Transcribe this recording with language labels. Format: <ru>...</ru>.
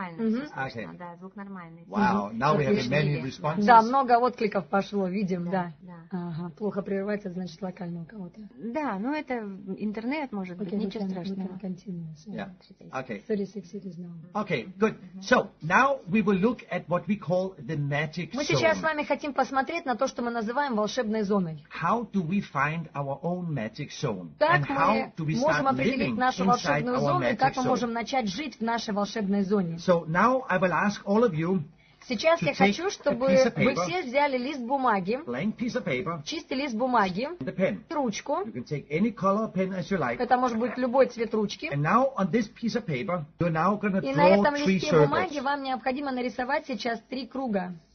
<ru>Все, продолжаем. Да, все отлично, говорят, да. Нормально. Да, звук нормальный. Да, много откликов пошло, видим, да. Ага, плохо прерывается, значит, локально у кого-то. Да, ну это интернет, может</ru> <en>okay,</en> <ru>быть, ничего страшного.</ru> <en>We can continue. Yeah. Okay. 36 cities now. Okay, good. So, now we will look at what we call the magic</en> <ru>мы</ru> <en>zone.</en> <ru>Мы сейчас с вами хотим посмотреть на то, что мы называем волшебной зоной.</ru> <en>How do we find our own magic zone?</en> <ru>Как</ru> <en>and how do we start living</en> <ru>нашу волшебную зону, и как мы можем начать жить в нашей волшебной зоне?</ru> <en>So, now I will ask all of you,</en> <ru>Сейчас я хочу, чтобы вы все взяли лист бумаги, чистый лист бумаги, ручку. Это может быть любой цвет ручки. И на этом листе бумаги вам необходимо нарисовать сейчас три круга.</ru>